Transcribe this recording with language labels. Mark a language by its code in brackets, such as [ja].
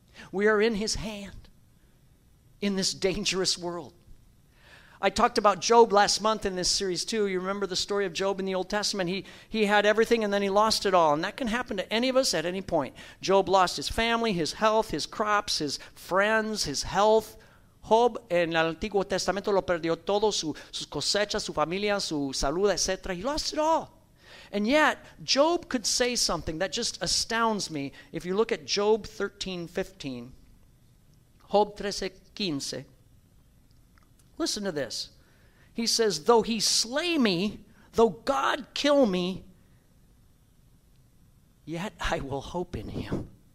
[en] We are in his hand in this dangerous world. I talked about Job last month in this series too. You remember the story of Job in the Old Testament. He had everything and then he lost it all. And that can happen to any of us at any point. Job lost his family, his health, his crops, his friends, his health. [es] Job en el Antiguo Testamento lo perdió todo, sus cosechas, su familia, su salud, etc. [en] He lost it all. And yet, Job could say something that just astounds me. If you look at Job 13:15, Job 13:15, listen to this. He says, though he slay me, though God kill me, yet I will hope in him.